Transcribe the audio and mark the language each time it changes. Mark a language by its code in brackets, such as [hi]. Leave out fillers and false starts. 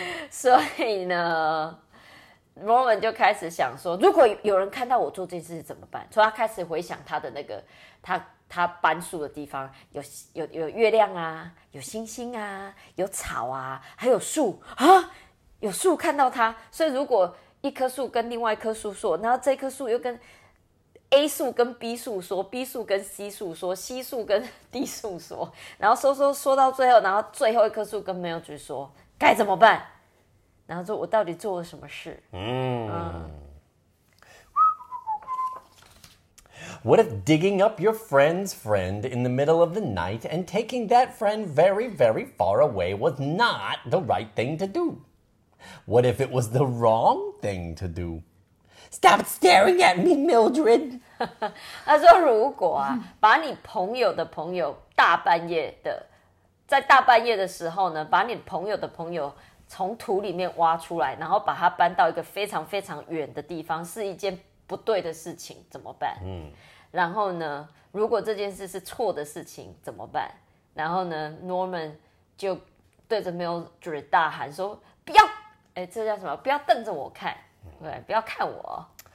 [zh] 所以呢Roman 就开始想说如果有人看到我做这件事怎么办所以他开始回想他的那个他搬树的地方 有月亮啊有星星啊有草啊还有树啊有树看到他所以如果一棵树跟另外一棵树说然后这棵树又跟 A 树跟 B 树说 B 树跟 C 树说 C 树跟 D 树说然后说到最后然后最后一棵树跟 Mildred 说该怎么办然后说我到底做了什么事、 [en] What if digging up your friend's friend in the middle of the night and taking that friend very, very far away was not the right thing to do? What if it was the wrong thing to do? Stop staring at me, Mildred! [zh] 他说如果啊把你朋友的朋友大半夜的在大半夜的时候呢把你朋友的朋友从土里面挖出来然后把它搬到一个非常非常远的地方是一件不对的事情怎么办、嗯、然后呢如果这件事是错的事情怎么办然后呢 Norman 就对着 Mildred 大喊说不要哎，这叫什么不要瞪着我看对不要看我